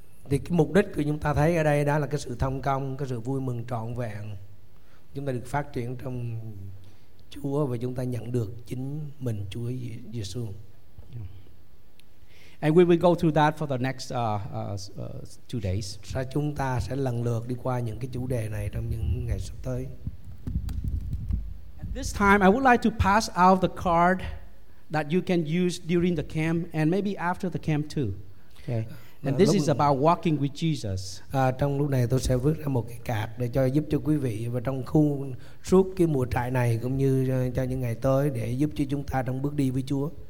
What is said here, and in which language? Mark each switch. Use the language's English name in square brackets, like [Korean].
[Vietnamese] Thì cái mục đích của chúng ta thấy ở đây đó là cái sự thông công, cái sự vui mừng trọn vẹn. Chúng ta được phát triển trong Chúa và chúng ta nhận được chính mình Chúa Giêsu. [English] And we will go through that for the next 2 days. [Vietnamese] Và chúng ta sẽ lần lượt đi qua những cái chủ đề này trong những ngày sắp tới. [English] At this time, I would like to pass out the card that you can use during the camp and maybe after the camp too. Okay. And this is about walking with Jesus. [Vietnamese] Trong lúc này tôi sẽ vứt ra một cái card để cho giúp cho quý vị và trong khu suốt cái mùa trại này cũng như cho những ngày tới để giúp cho chúng ta trong bước đi với Chúa.